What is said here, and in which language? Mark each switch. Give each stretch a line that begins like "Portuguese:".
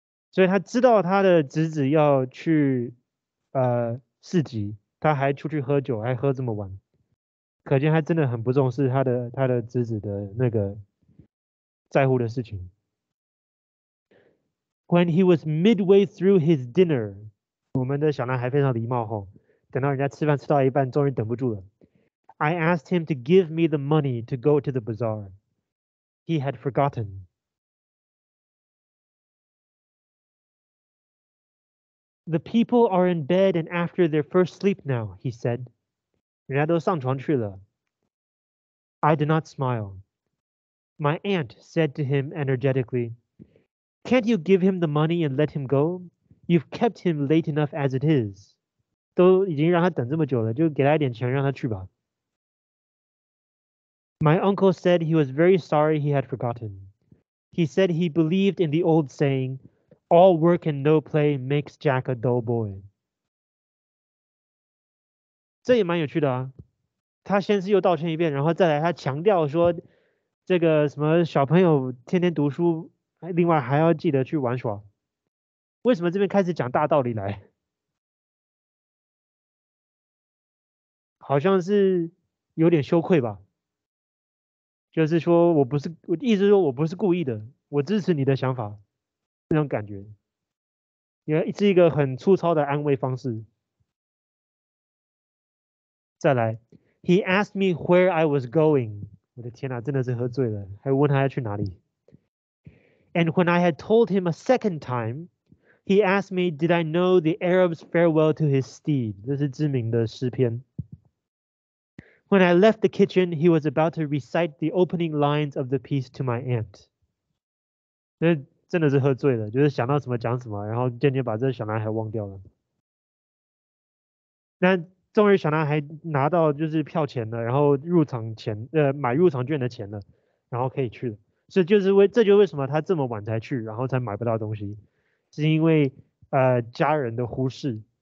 Chinese: 所以他知道他的侄子要去市集，他还出去喝酒，还喝这么晚，可见他真的很不重视他的侄子的那个在乎的事情。
English: When he was midway through his dinner，
Chinese: 我们的小男孩非常礼貌吼。等到人家吃饭吃到一半，终于等不住了。
English: I asked him to give me the money to go to the bazaar. He had forgotten. 'The people are in bed and after their first sleep now,' he said.
Chinese: 人家都上床去了。
English: I did not smile. My aunt said to him energetically, 'Can't you give him the money and let him go? You've kept him late enough as it is.'
Chinese: 都已经让他等这么久了，就给他一点钱让他去吧。
English: My uncle said he was very sorry he had forgotten. He said he believed in the old saying, all work and no play makes Jack a dull boy.
Chinese: 这也蛮有趣的啊。他先是又道歉一遍，然后再来他强调说这个什么小朋友天天读书，另外还要记得去玩耍。为什么这边开始讲大道理来？好像是有点羞愧吧，就是说我不是，我意思说我不是故意的，我支持你的想法，那种感觉，也是一个很粗糙的安慰方式。再来
English: ，He asked me where I was going。
Chinese: 我的天哪，真的是喝醉了，还问他要去哪里。
English: And when I had told him a second time, he asked me, "Did I know the Arab's farewell to his steed?"
Chinese: 这是知名的诗篇。
English: When I left the kitchen, he was about to recite the opening lines of the piece to my aunt.
Chinese: 这真的是喝醉了，就是想到什么讲什么，然后渐渐把这小男孩忘掉了。那终于小男孩拿到就是票钱了，然后入场钱，买入场券的钱了，然后可以去了。所以就是为什么他这么晚才去，然后才买不到东西，是因为家人的忽视。